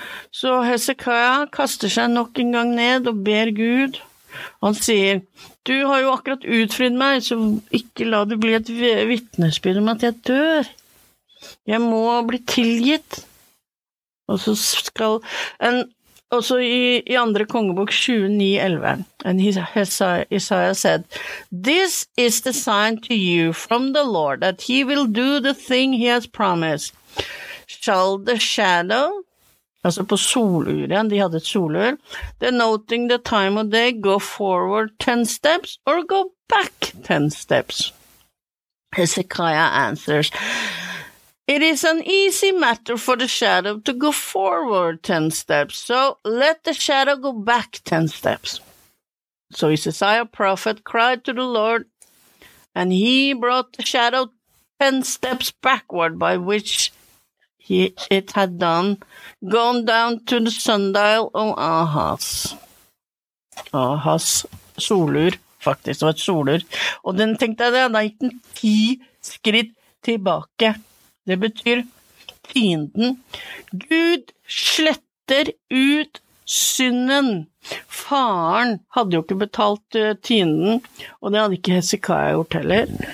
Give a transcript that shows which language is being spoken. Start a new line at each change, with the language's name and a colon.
Norwegian: Så Hesekia kaster seg nok en gang ned og ber Gud. Han sier, du har jo akkurat utfridd meg, så ikke la det bli et vitnesbyrd om at jeg dør. Jeg må bli tilgitt. Og så skal en, også I andre kongebok 29:11,
English: Isaiah said, This is the sign to you from the Lord that he will do the thing he has promised. Shall the shadow,
Norwegian: altså på soluren, de hadde et solur,
English: denoting the time of day, go forward 10 steps or go back 10 steps? Hezekiah answers, It is an easy matter for the shadow to go forward 10 steps, so let the shadow go back 10 steps. So Isaiah prophet cried to the Lord And he brought the shadow 10 steps backward, by which he it had done, gone down to the sundial of Ahaz.
Norwegian: Ahaz solur, faktisk, det var et solur. Og den tenkte jeg, da gikk den 10 skritt tilbake. Det betyr fienden. Gud sletter ut synden. Faren hadde jo ikke betalt tienden, og det hadde ikke Hezekiah gjort heller.